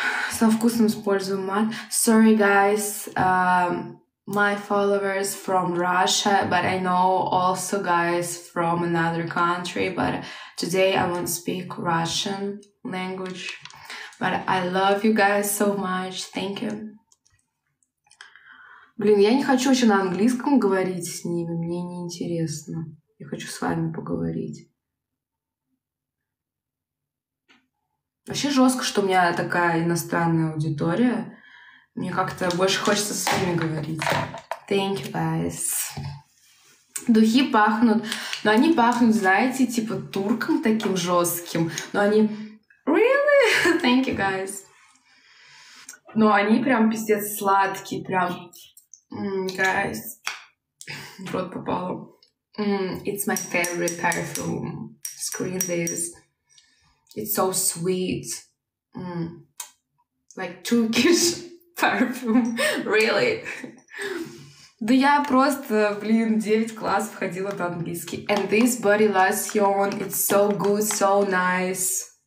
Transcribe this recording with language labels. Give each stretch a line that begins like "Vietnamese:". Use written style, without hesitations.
Russian: Со вкусом использую мат.
English: Sorry, guys, my followers from Russia, but I know also guys from another country, but today I won't speak Russian language, but I love you guys so much. Thank you.
Russian: Блин, я не хочу еще на английском говорить с ними, мне не интересно. Я хочу с вами поговорить. Вообще жестко, что у меня такая иностранная аудитория. Мне как-то больше хочется с ними говорить.
English: Thank you, guys.
Russian: Духи пахнут. Но они пахнут, знаете, типа турком таким жестким. Но они...
English: Really? Thank you, guys.
Russian: Но они прям пиздец сладкие, прям...
English: guys.
Russian: В рот попало.
English: It's my favorite perfume. Screen this. It's so sweet. Like Turkish perfume. Really?
Russian: Да я просто, блин, 9 классов ходила на английский.
English: And this body lotion, it's so good, so nice.